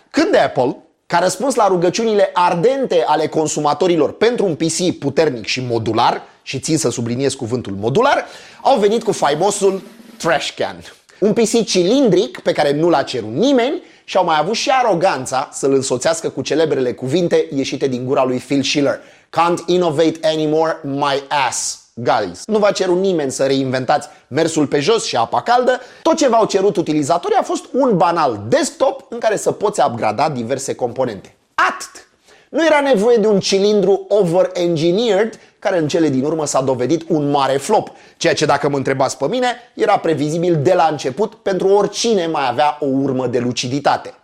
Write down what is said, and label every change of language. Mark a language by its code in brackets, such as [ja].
[ro] Când Apple, ca răspuns la rugăciunile ardente ale consumatorilor pentru un PC puternic și modular, și țin să subliniez cuvântul modular, au venit cu faimosul Trash Can. Un PC cilindric pe care nu l-a cerut nimeni, și au mai avut și aroganța să-l însoțească cu celebrele cuvinte ieșite din gura lui Phil Schiller. [en] Can't innovate anymore, my ass. [ro] Guys, nu v-a cerut nimeni să reinventați mersul pe jos și apa caldă. Tot ce v-au cerut utilizatorii a fost un banal desktop în care să poți upgrada diverse componente. Atât! Nu era nevoie de un cilindru over-engineered, care în cele din urmă s-a dovedit un mare flop, ceea ce, dacă mă întrebați pe mine, era previzibil de la început pentru oricine mai avea o urmă de luciditate.